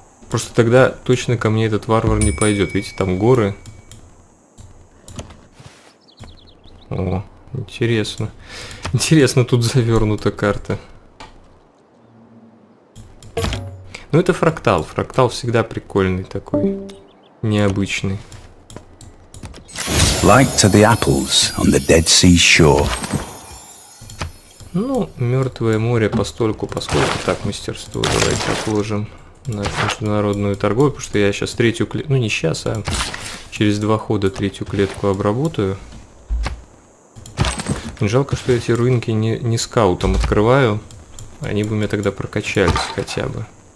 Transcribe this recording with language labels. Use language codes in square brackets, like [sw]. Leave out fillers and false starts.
[ru] Просто тогда точно ко мне этот варвар не пойдет. Видите, там горы. О, интересно. Интересно, тут завернута карта. Ну, это фрактал. Фрактал всегда прикольный такой. Необычный. [en] Like to the apples on the Dead Sea shore. [ru] Ну, Мертвое море постольку, поскольку так мастерство давайте отложим. На международную торговлю, потому что я сейчас третью клетку, ну не сейчас, а через два хода третью клетку обработаю. Жалко, что эти руинки не скаутом открываю, они бы у меня тогда прокачались хотя бы.